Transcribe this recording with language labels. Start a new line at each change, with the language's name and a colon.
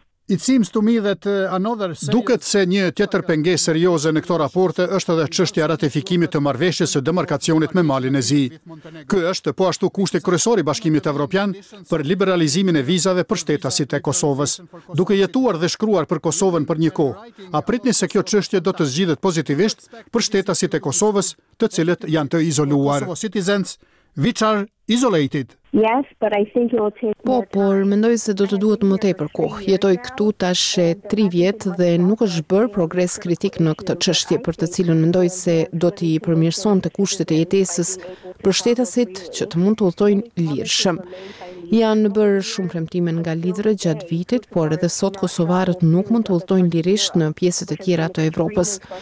English: It seems to me that another
Albanian: duket se një tjetër pengesë serioze në këto raporte është edhe çështja e ratifikimit të marrëveshjes së demarkacionit me Malin e Zi. Ky është po ashtu kushti kryesor i Bashkimit Evropian për liberalizimin e vizave për shtetasit e Kosovës. Duke jetuar dhe shkruar për Kosovën për një kohë, a pritni se kjo çështje do të zgjidhet pozitivisht për shtetasit e Kosovës, të cilët janë të izoluar?
English: Citizens which are isolated. Yes, but I think it will take.
Albanian: Po, por mendoj se do të duhet më tepër kohë. Jetoj këtu tash 3 vjet dhe nuk është bër progres kritik në këtë çështje për të cilën mendoj se do t'i përmirësonte kushtet e jetesës për shtetasit që të mund të udhtojnë lirshëm. Janë bërë shumë premtime nga lidhërët gjatë vitit, por edhe sot kosovarët nuk mund të udhtojnë lirisht në pjesët e tjera të Evropës.